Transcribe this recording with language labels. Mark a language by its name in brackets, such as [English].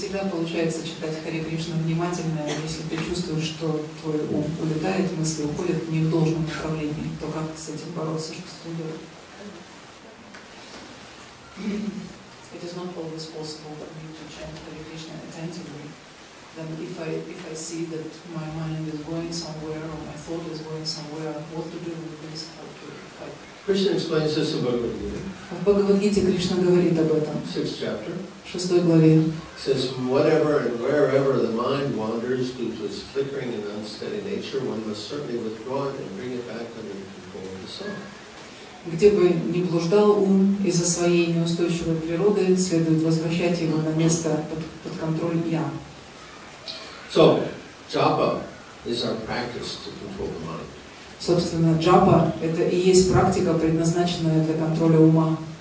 [Russian] Получается читать Харе Кришна внимательно, но если ты чувствуешь, что твой ум улетает, мысли уходят не в должном направлении, то как ты с этим бороться, что с этим делать? [English] It is not always possible that we to chant Харе Кришна attentively. then if I see that my mind is going somewhere or my thought is going somewhere, what to do with this, how to fight? Krishna explains this in Bhagavad Gita. [Russian] В Бхагавад Гите Кришна говорит об этом. [English] Sixth chapter. [Russian] Шестой главе. [English] Says whatever and wherever the mind wanders due to its flickering and unsteady nature, one must certainly withdraw it and bring it back under control of the soul. [Russian] Где бы ни блуждал ум из-за своей неустойчивой природы, следует возвращать его на место под контроль я. [English] So, japa is our practice to control the mind. [Russian] Собственно, джапа — это и есть практика, предназначенная для контроля ума.